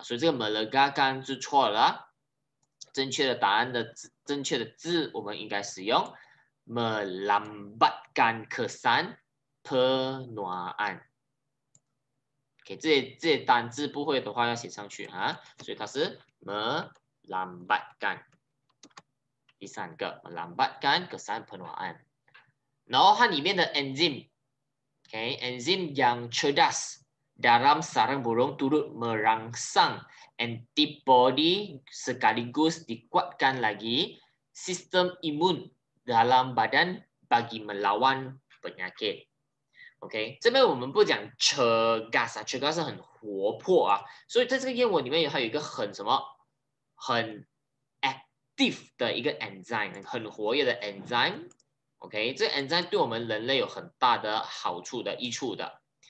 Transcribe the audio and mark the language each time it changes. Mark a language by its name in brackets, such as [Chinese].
[Chinese] 所以这个 [Malay] melegakan [Chinese] 是错了。正确的答案的正确的字，我们应该使用 [Malay] melambatkan kesan penuaan。 [Chinese] OK， 这些单字不会的话要写上去啊。所以它是 melambatkan。第三个 [Malay] ，melambatkan kesan penuaan， [Chinese] 然后它里面的 [Malay] enzim yang cerdas dalam sarang burung turut merangsang antibody sekaligus dikuatkan lagi sistem imun dalam badan bagi melawan penyakit。 [Chinese] OK， 这边我们不讲 cergas 啊 ，cergas 是很活泼啊，所以在这个燕窝里面它有一个很什么，很 active 的一个 enzyme， 很活跃的 enzyme。 OK， 这 enzyme 对我们人类有很大的好处的益处的。